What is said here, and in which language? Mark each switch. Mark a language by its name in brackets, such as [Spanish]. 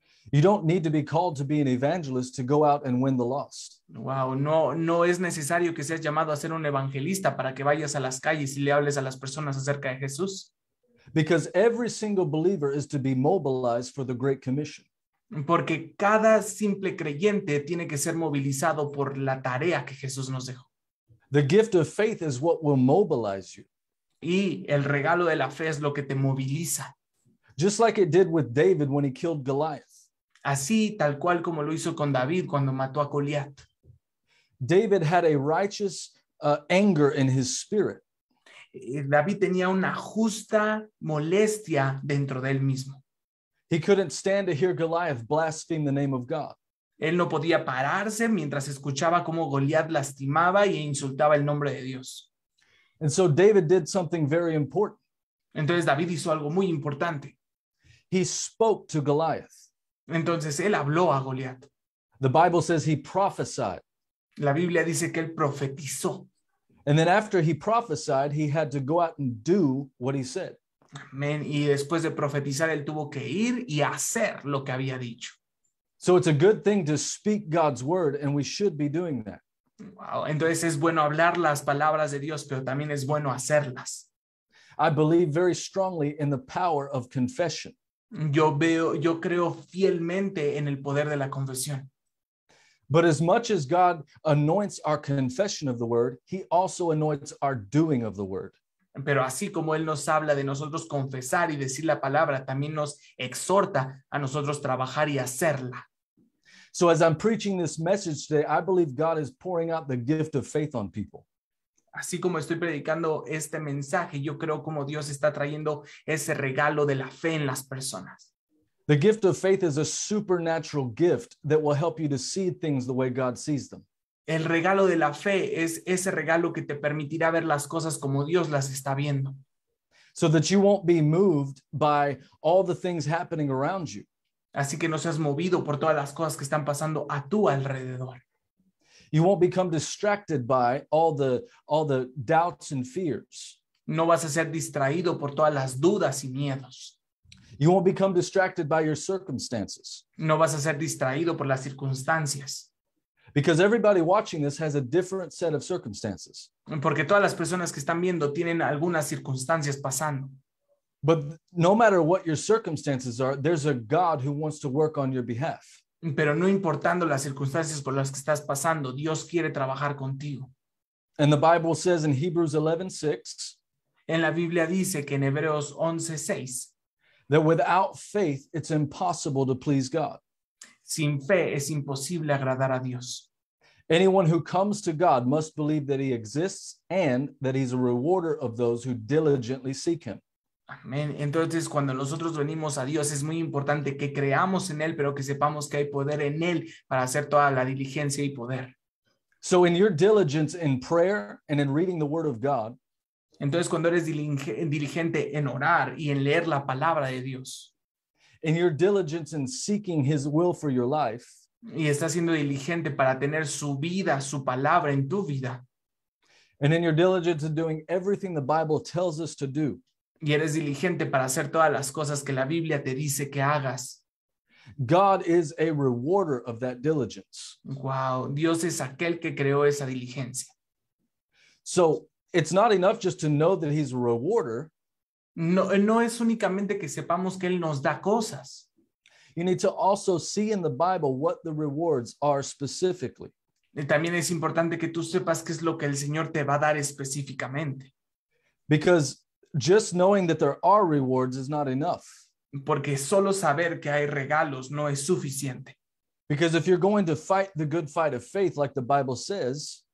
[English] You don't need to be called to be an evangelist to go out and win the lost. [Spanish] Wow, no es necesario que seas llamado a ser un evangelista para que vayas a las calles y le hables a las personas acerca de Jesús. [English] Because every single believer is to be mobilized for the Great Commission. [Spanish] Porque cada simple creyente tiene que ser movilizado por la tarea que Jesús nos dejó. [English] The gift of faith is what will mobilize you. [Spanish] Y el regalo de la fe es lo que te moviliza. [English] Just like it did with David when he killed Goliath. [Spanish] Así, tal cual como lo hizo con David cuando mató a Goliat. [English] David had a righteous anger in his spirit. [Spanish] David tenía una justa molestia dentro de él mismo. [English] He couldn't stand to hear Goliath blaspheme the name of God. [Spanish] Él no podía pararse mientras escuchaba cómo Goliat lastimaba e insultaba el nombre de Dios. [English] And so David did something very important. [Spanish] Entonces David hizo algo muy importante. [English] He spoke to Goliath. [Spanish] Entonces él habló a Goliat. [English] The Bible says he prophesied. [Spanish] La Biblia dice que él profetizó. [English] And then after he prophesied, he had to go out and do what he said. Amen. [Spanish] Y después de profetizar, él tuvo que ir y hacer lo que había dicho. [English] So it's a good thing to speak God's word, and we should be doing that. Wow. [Spanish] Entonces es bueno hablar las palabras de Dios, pero también es bueno hacerlas. [English] I believe very strongly in the power of confession. [Spanish] Yo creo fielmente en el poder de la confesión. [English] But as much as God anoints our confession of the word, he also anoints our doing of the word. [Spanish] Pero así como él nos habla de nosotros confesar y decir la palabra, también nos exhorta a nosotros trabajar y hacerla. [English] So as I'm preaching this message today, I believe God is pouring out the gift of faith on people. [Spanish] Así como estoy predicando este mensaje, yo creo como Dios está trayendo ese regalo de la fe en las personas. [English] The gift of faith is a supernatural gift that will help you to see things the way God sees them. [Spanish] El regalo de la fe es ese regalo que te permitirá ver las cosas como Dios las está viendo. [English] So that you won't be moved by all the things happening around you. [Spanish] Así que no seas movido por todas las cosas que están pasando a tu alrededor. [English] You won't become distracted by all the doubts and fears. [Spanish] No vas a ser distraído por todas las dudas y miedos. [English] You won't become distracted by your circumstances. [Spanish] No vas a ser distraído por las circunstancias. [English] Because everybody watching this has a different set of circumstances. [Spanish] Porque todas las personas que están viendo tienen algunas circunstancias pasando. [English] But no matter what your circumstances are, there's a God who wants to work on your behalf. [Spanish] Pero no importando las circunstancias por las que estás pasando, Dios quiere trabajar contigo. [English] And the Bible says in Hebrews 11:6. [Spanish] En la Biblia dice que en Hebreos 11:6. [English] That without faith, it's impossible to please God. [Spanish] Sin fe es imposible agradar a Dios. [English] Anyone who comes to God must believe that he exists and that he's a rewarder of those who diligently seek him. [Spanish] Amén. Entonces, cuando nosotros venimos a Dios, es muy importante que creamos en él, pero que sepamos que hay poder en él para hacer toda la diligencia y poder. [English] So in your diligence in prayer and in reading the word of God, [Spanish] entonces, cuando eres diligente en orar y en leer la palabra de Dios, [English] in your diligence in seeking his will for your life, [Spanish] y estás siendo diligente para tener su vida, su palabra en tu vida, [English] and in your diligence in doing everything the Bible tells us to do, [Spanish] y eres diligente para hacer todas las cosas que la Biblia te dice que hagas, [English] God is a rewarder of that diligence. [Spanish] Wow, Dios es aquel que creó esa diligencia. [English] So, it's not enough just to know that he's a rewarder. [Spanish] No es únicamente que sepamos que él nos da cosas. [English] You need to also see in the Bible what the rewards are specifically. [Spanish] Y también es importante que tú sepas qué es lo que el Señor te va a dar específicamente. [English] Because just knowing that there are rewards is not enough. [Spanish] Porque solo saber que hay regalos no es suficiente. [English] Because if you're going to fight the good fight of faith, like the Bible says,